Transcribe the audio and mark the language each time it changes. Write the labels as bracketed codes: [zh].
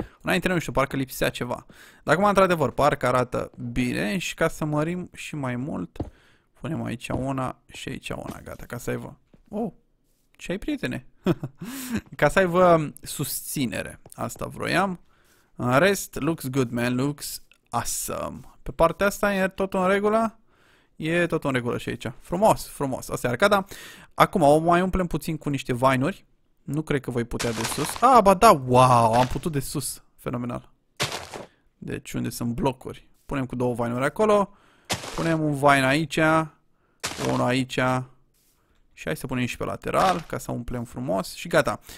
[ro] Înainte nu știu, parcă lipsea ceva, dar acum într-adevăr, parcă arată bine și ca să mărim și mai mult, punem aici una și aici una, gata, ca să aibă... Oh, ce ai, prietene? Ca să aibă susținere, asta vroiam. În rest, [en] looks good, man, looks awesome. [ro] Pe partea asta e tot în regulă? E tot în regulă și aici. Frumos, frumos, asta e arcada. Acum, o mai umplem puțin cu niște vainuri. Nu cred că voi putea de sus. Ah, ba da, wow, am putut de sus. Fenomenal. Deci, unde sunt blocuri? Punem cu două vainuri acolo. Punem un vine aici, unul aici și hai să punem și pe lateral ca să umplem frumos și gata.